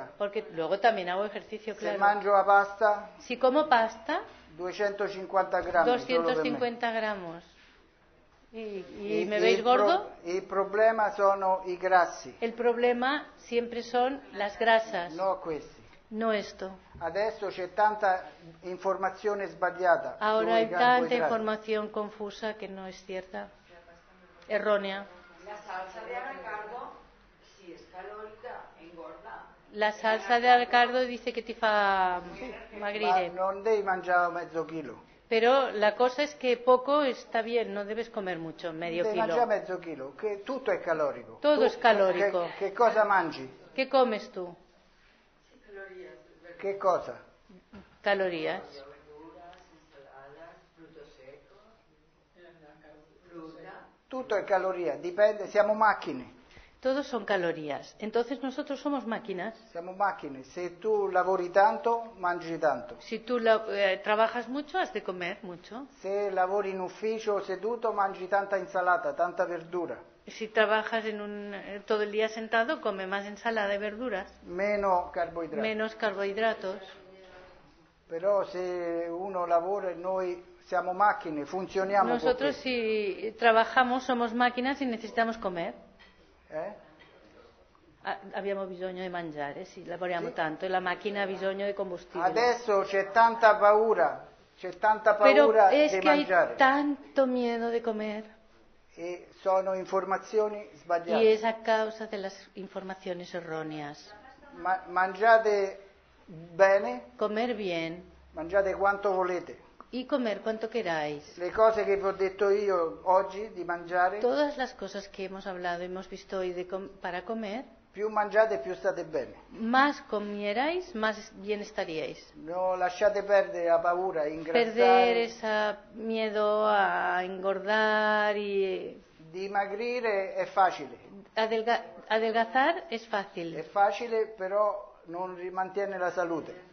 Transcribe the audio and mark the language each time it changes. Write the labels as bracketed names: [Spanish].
[Spanish] Cinco, porque luego también hago ejercicio, claro. [Italian] Se mangio la pasta. [Spanish] Si como pasta. [Italian] 250 grammi. [Spanish] 250 grammi. ¿Y me veis el gordo? El problema son los grasos. El problema siempre son las grasas. [Italian] No questi. [Spanish] No esto. [Italian] Adesso c'è tanta informazione sbagliata. [Spanish] Ahora hay tanta información confusa que no es cierta. Errónea. La salsa de anacardo, si es calórica, engorda. La salsa de anacardo dice que [Italian] te fa magrire. Ma non devi mangiare mezzo chilo. [Spanish] Pero la cosa es que poco está bien, no debes comer mucho, medio kilo. [Italian] Devi mangiare mezzo chilo, que tutto è calorico. [Spanish] Todo es calórico. [Italian] Che cosa mangi? [Spanish] ¿Qué comes tú? ¿Qué cosa? Calorías. [Italian] Tutto è caloria, dipende, siamo macchine. [Spanish] Todos son calorías, entonces nosotros somos máquinas. [Italian] Siamo macchine, se tu lavori tanto, mangi tanto. [Spanish] Si tu trabajas mucho, has de comer mucho. [Italian] Se lavori in ufficio seduto, mangi tanta insalata, tanta verdura. [Spanish] Si trabajas en un, todo el día sentado, come más ensalada y verduras. [Italian] Meno carboidrati. [Spanish] Menos carbohidratos. Pero si uno [Italian] lavora, noi siamo macchine, funcioniamo. [Spanish] Nosotros si trabajamos somos máquinas y necesitamos comer. [Italian] Abbiamo bisogno di mangiare, sì, lavoriamo sì. Tanto e la macchina ha bisogno di combustibile. Adesso c'è tanta paura di mangiare. [Spanish] Pero es que hay tanto miedo de comer. [Italian] E sono informazioni sbagliate. [Spanish] Y es a causa de las informaciones erróneas. [Italian] Mangiate bene. [Spanish] Comer bien. [Italian] Mangiate quanto volete. [Spanish] Y comer cuanto queráis. [Italian] Le cose che vi ho detto io oggi di mangiare. [Spanish] Todas las cosas que hemos hablado y hemos visto hoy de para comer. [Italian] Più mangiate più state bene. [Spanish] Más comierais, más bien estaríais. [Italian] No lasciate perdere la paura, ingrassare. [Spanish] Perder ese miedo a engordar y. [Italian] Dimagrire è facile. [Spanish] Adelgazar es fácil. [Italian] È facile, però non mantiene la salute.